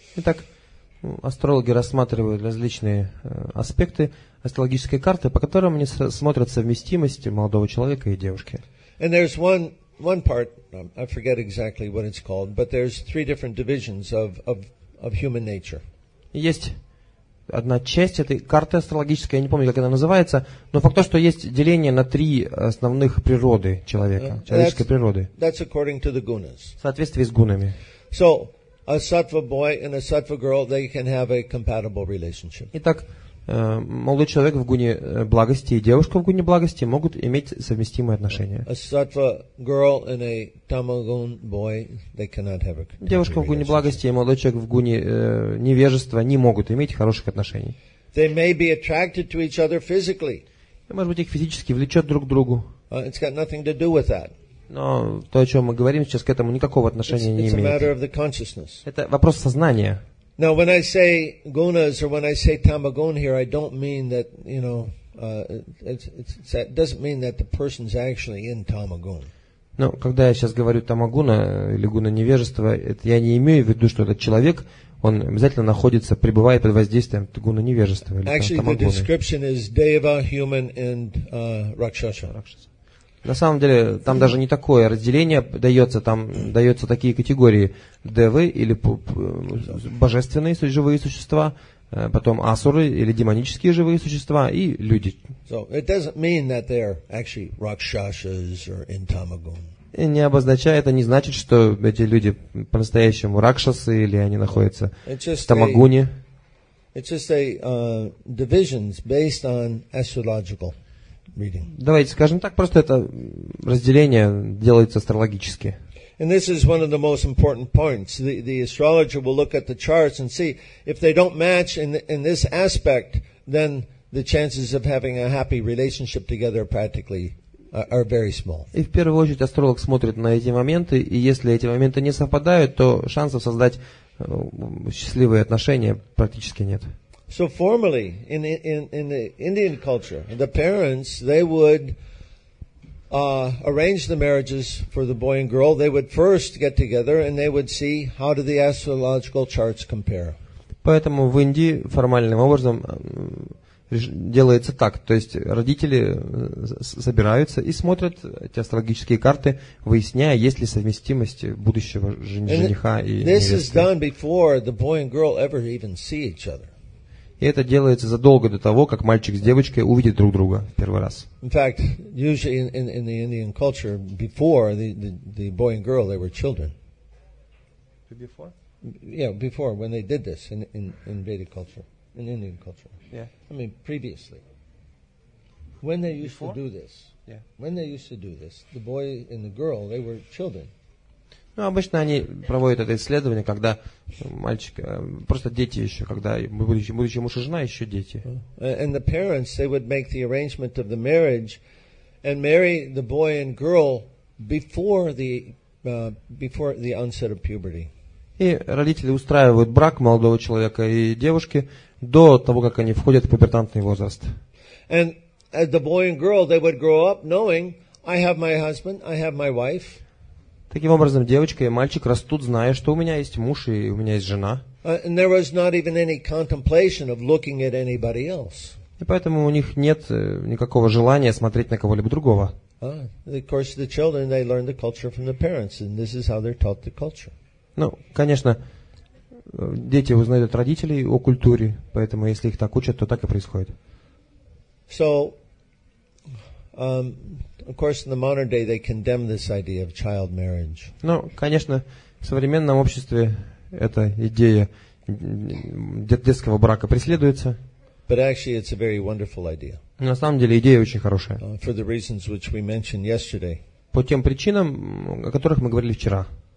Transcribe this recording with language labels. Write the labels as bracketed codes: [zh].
[ru] Итак, астрологи рассматривают различные аспекты астрологической карты, по которым они смотрят совместимость молодого человека и девушки. [en] And there's one part, I forget exactly what it's called, but there's three different divisions of human nature. [ru] Есть одна часть этой карты астрологической, я не помню, как она называется, но факт то, что есть деление на три основных природы человека, человеческой природы. [en] That's according to the gunas. [ru] В соответствии с гунами. [en] So, a sattva boy and a sattva girl, they can have a compatible relationship. [ru] Итак, молодой человек в гуне благости и девушка в гуне благости могут иметь совместимые отношения. [en] A sattva girl and a tamagun boy, they cannot have a compatible relationship. [ru] Девушка в гуне благости и молодой человек в гуне невежества не могут иметь хороших отношений. [en] They may be attracted to each other physically. [ru] И, может быть, их физически влечет друг к другу. [en] It's got nothing to do with that. [ru] Но то, о чем мы говорим сейчас, к этому никакого отношения не имеет. [en] It's a matter of the consciousness. [ru] Это вопрос сознания. [en] Now, when I say gunas or when I say tamagun here, I don't mean that, you know, it doesn't mean that the person's actually in tamagun. [ru] Но когда я сейчас говорю тамагуна или гуна невежества, это я не имею в виду, что этот человек, он обязательно находится, пребывает под воздействием гуна невежества или [en] Actually, [ru] тамагуны. [en] The description is deva, human and, rakshasa. [ru] На самом деле, там даже не такое разделение дается, там дается такие категории девы или божественные живые существа, потом асуры или демонические живые существа и люди. [en] So it doesn't mean that they're actually rakshasas or in tamagun. [ru] И не обозначает, а не значит, что эти люди по-настоящему ракшасы или они находятся в тамагуне. [en] It's just a divisions based on astrological. [ru] Давайте скажем так, просто это разделение делается астрологически. [en] And this is one of the most important points. The astrologer will look at the charts and see if they don't match in this aspect, then the chances of having a happy relationship together practically are very small. [ru] И в первую очередь астролог смотрит на эти моменты, и если эти моменты не совпадают, то шансов создать счастливые отношения практически нет. [en] So formally in the Indian culture, the parents they would arrange the marriages for the boy and girl. They would first get together and they would see how do the astrological charts compare. [ru] Поэтому в Индии формальным образом делается так, то есть родители собираются и смотрят эти астрологические карты, выясняя, есть ли совместимость будущего жениха и невесты. [en] This is done before the boy and girl ever even see each other. [ru] И это делается задолго до того, как мальчик с девочкой увидят друг друга в первый раз. [en] In fact, usually in the Indian culture, before the boy and girl, they were children. Before? Yeah, before, when they did this in Vedic culture, in Indian culture. Yeah. I mean, previously. When they used before? To do this, yeah. When they used to do this, the boy and the girl, they were children. [ru] Ну, обычно они проводят это исследование, когда мальчик, просто дети еще, когда будущий муж и жена, еще дети. [en] And the parents, they would make the arrangement of the marriage and marry the boy and girl before the onset of puberty. [ru] И родители устраивают брак молодого человека и девушки до того, как они входят в пубертантный возраст. [en] And as the boy and girl, they would grow up knowing, I have my husband, I have my wife. [ru] Таким образом, девочка и мальчик растут, зная, что у меня есть муж и у меня есть жена. [en] And there was not even any contemplation of looking at anybody else. [ru] И поэтому у них нет никакого желания смотреть на кого-либо другого. [en] Of course, the children, they learn the culture from the parents, and this is how they're taught the culture. [ru] Ну, конечно, дети узнают от родителей о культуре, поэтому если их так учат, то так и происходит. [en] So, of course, in the modern day, they condemn this idea of child marriage. [ru] Ну, конечно, в современном обществе эта идея детского брака преследуется. [en] But actually, it's a very wonderful idea. [ru] На самом деле, идея очень хорошая. [en] For the reasons which we mentioned yesterday. [ru] По тем причинам, о которых мы говорили вчера.